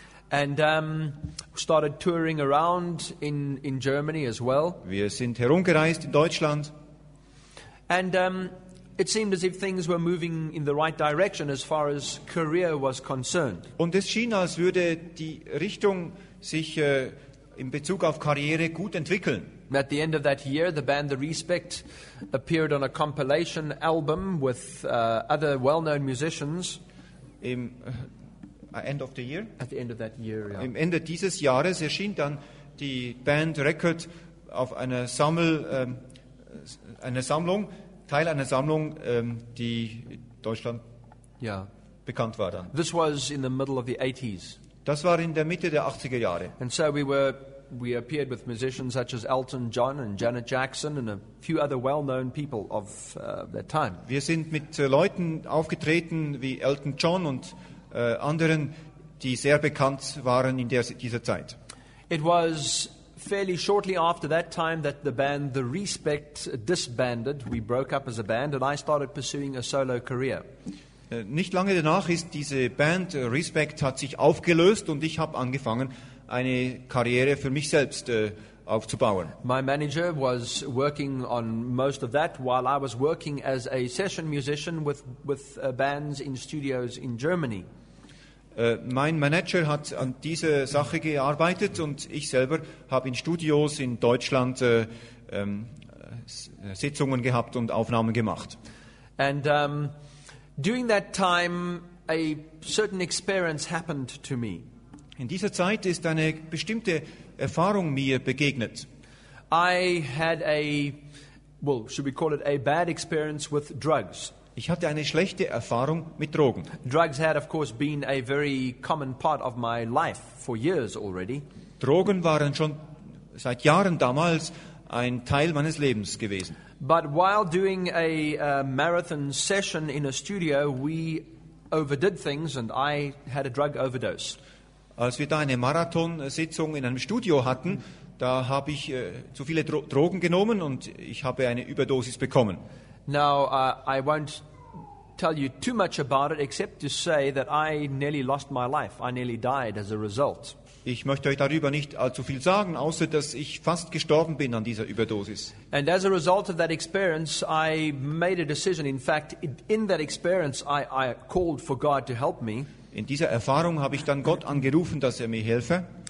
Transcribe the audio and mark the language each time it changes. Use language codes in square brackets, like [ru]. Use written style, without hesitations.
[en] And started touring around in Germany as well. [de] Wir sind herumgereist in Deutschland. [en] And it seemed as if things were moving in the right direction as far as career was concerned. [de] Und es schien, als würde die Richtung sich in Bezug auf Karriere gut entwickeln. [en] At the end of that year, the band The Respect appeared on a compilation album with other well-known musicians. At the end of that year, ja. [de] Im Ende dieses Jahres erschien dann die Band Record auf einer Sammlung, die Deutschland bekannt war dann. [en] This was in the middle of the 80s. [de] Das war in der Mitte der 80er Jahre. [en] And so we appeared with musicians such as Elton John and Janet Jackson and a few other well-known people of that time. [de] Wir sind mit Leuten aufgetreten wie Elton John und anderen, die sehr bekannt waren in dieser Zeit. [en] It was fairly shortly after that time that the band The Respect disbanded. We broke up as a band and I started pursuing a solo career. [de] Nicht lange danach ist diese Band Respect hat sich aufgelöst und ich habe angefangen, eine Karriere für mich selbst aufzubauen. [en] My manager was working on most of that while I was working as a session musician with bands in studios in Germany. [de] Mein Manager hat an dieser Sache gearbeitet und ich selber habe in Studios in Deutschland Sitzungen gehabt und Aufnahmen gemacht. [en] And during that time a certain experience happened to me. [de] In dieser Zeit ist eine bestimmte Erfahrung mir begegnet. [en] I had should we call it a bad experience with drugs. [de] Ich hatte eine schlechte Erfahrung mit Drogen. [en] Drugs had of course been a very common part of my life for years already. [de] Drogen waren schon seit Jahren damals ein Teil meines Lebens gewesen. [en] But while doing a marathon session in a studio, we overdid things and I had a drug overdose. [de] Als wir da eine Marathonsitzung in einem Studio hatten, da habe ich zu viele Drogen genommen und ich habe eine Überdosis bekommen. [en] Now I won't tell you too much about it except to say that I nearly lost my life. I nearly died as a result. [de] Ich möchte euch darüber nicht allzu viel sagen, außer dass ich fast gestorben bin an dieser Überdosis. [en] And as a result of that experience, I made a decision. In fact, in that experience I called for God to help me. [de] In dieser Erfahrung habe ich dann Gott angerufen, dass er mir helfe.